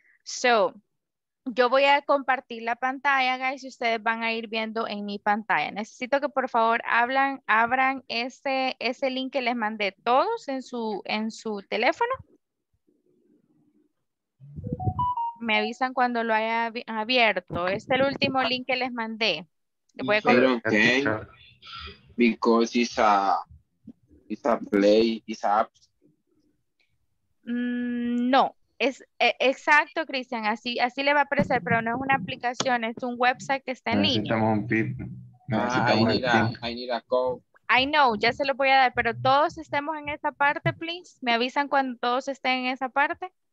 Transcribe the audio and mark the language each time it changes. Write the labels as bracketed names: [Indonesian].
[Spanish] So, yo voy a compartir la pantalla, guys, y ustedes van a ir viendo en mi pantalla. Necesito que por favor abran ese link que les mandé todos en su teléfono. Me avisan cuando lo haya abierto. Este es el último link que les mandé. Voy a compartir. [English] Okay, because it's a play, it's a app. [Spanish] No. Es exacto, Cristian, así le va a parecer, pero no es una aplicación, es un website que está en línea. Necesitamos un PIN. [English] I need a code. I know, [Spanish] ya se lo voy a dar, pero todos estemos en esa parte, please. Me avisan cuando todos estén en esa parte.